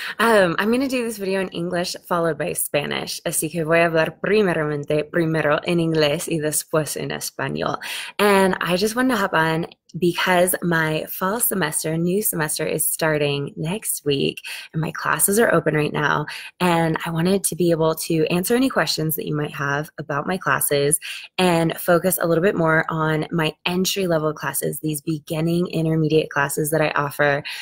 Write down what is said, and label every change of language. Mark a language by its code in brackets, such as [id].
[en] I'm going to do this video in English followed by Spanish. [es] Así que voy a hablar primero en inglés y después en español. [en] And I just wanted to hop on because my fall semester, new semester is starting next week and my classes are open right now. And I wanted to be able to answer any questions that you might have about my classes and focus a little bit more on my entry-level classes, these beginning intermediate classes that I offer.